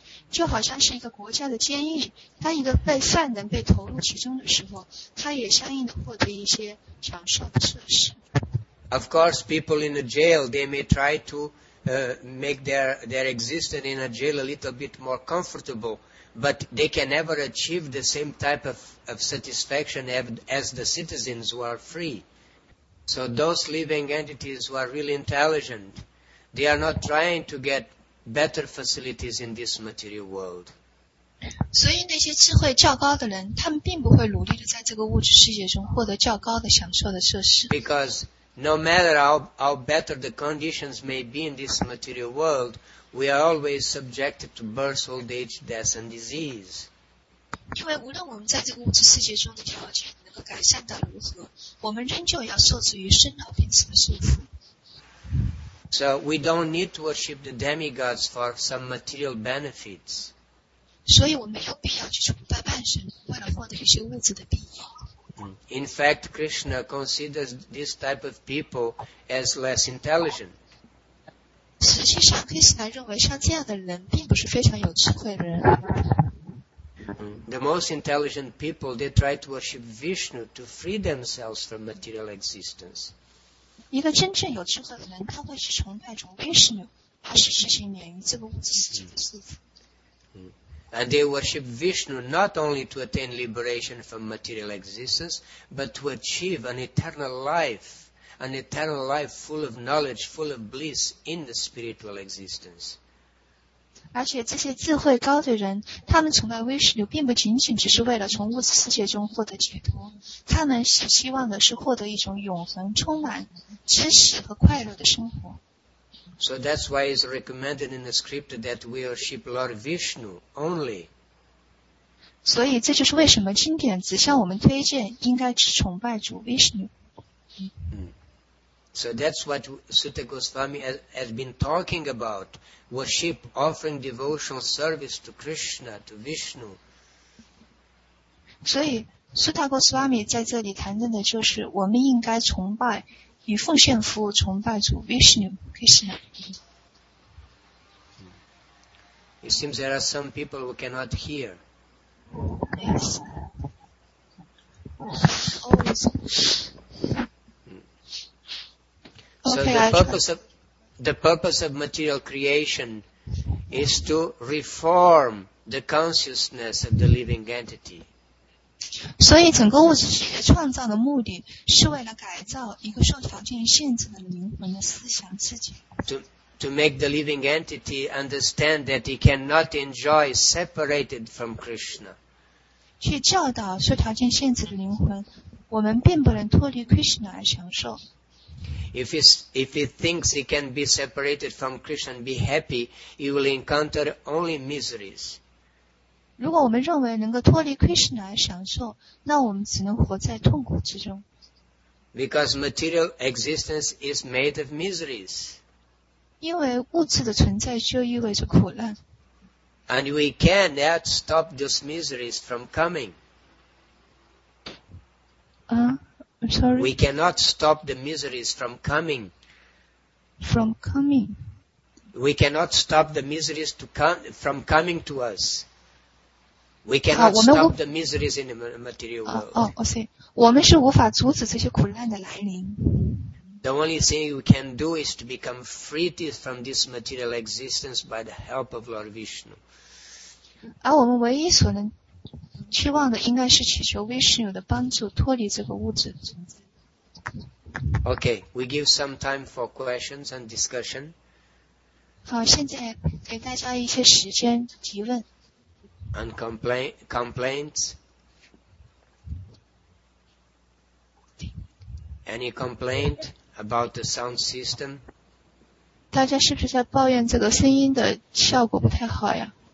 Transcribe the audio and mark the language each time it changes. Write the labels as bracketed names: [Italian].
[Chinese] 就好像是一个国家的监狱，当一个被犯人被投入其中的时候，他也相应的获得一些享受的设施。 [English] Of course, people in a jail, they may try to make their existence in a jail a little bit more comfortable, but they can never achieve the same type of satisfaction as the citizens who are free. So those living entities who are really intelligent, they are not trying to get. Better facilities in this material world. [Chinese] 所以那些智慧较高的人，他们并不会努力地在这个物质世界中获得较高的享受的设施。 [English] Because no matter how better the conditions may be in this material world, we are always subjected to birth, old age, death, and disease. [Chinese] 因为无论我们在这个物质世界中的条件能和改善到如何，我们仍旧要受制于生老病死的束缚。 [English] So we don't need to worship the demigods for some material benefits. [Chinese] 所以我没有必要去崇拜半神，为了获得一些物质的利益。 [English] In fact, Krishna considers this type of people as less intelligent. [Chinese] 实际上 ，Krishna 认为像这样的人并不是非常有智慧的人。 [English] The most intelligent people, they try to worship Vishnu to free themselves from material existence. [Chinese] 一个真正有智慧的人，他会去崇拜着 Vishnu， 他是实行免于这个物质世界的束缚。 [English] And they worship Vishnu not only to attain liberation from material existence, but to achieve an eternal life full of knowledge, full of bliss in the spiritual existence. [Chinese] 而且这些智慧高的人，他们崇拜 Vishnu 并不仅仅只是为了从物质世界中获得解脱，他们是希望的是获得一种永恒、充满知识和快乐的生活。 [English] So that's why it's recommended in the script that we worship Lord Vishnu only. [Chinese] 所以这就是为什么经典只向我们推荐应该只崇拜主 Vishnu. [English] So that's what Sutta Goswami has been talking about. Worship, offering devotional service to Krishna, to Vishnu. [Chinese] 所以 Sutta Goswami 在这里谈论的就是我们应该崇拜以奉献服务崇拜主 Vishnu Krishna. [English] It seems there are some people who cannot hear. Yes. Always. So okay, the purpose of material creation is to reform the consciousness of the living entity. [Chinese] 所以整个物质世界创造的目的是为了改造一个受条件限制的灵魂的思想自己。 [English] To make the living entity understand that he cannot enjoy separated from Krishna. [Chinese] 去教导受条件限制的灵魂，我们并不能脱离 Krishna 而享受。 [English] If he thinks he can be separated from Krishna and be happy, he will encounter only miseries. [Chinese] 如果我们认为能够脱离 Krishna 来享受，那我们只能活在痛苦之中。 [English] Because material existence is made of miseries. [Chinese] 因为物质的存在就意味着苦难。 [English] And we cannot stop those miseries from coming. I'm sorry. We cannot stop the miseries from coming. From coming. We cannot stop the miseries to come, from coming to us. We cannot stop the miseries in the material world. The only thing we can do is to become freed from this material existence by the help of Lord Vishnu. [Chinese] 而我们唯一所能期望的应该是祈求 Vishnu 的帮助脱离这个物质的存在。 [English] Okay, we give some time for questions and discussion. [Chinese] 好，现在给大家一些时间提问。 [English] And complaints? Any complaint about the sound system? [Chinese] 大家是不是在抱怨这个声音的效果不太好呀？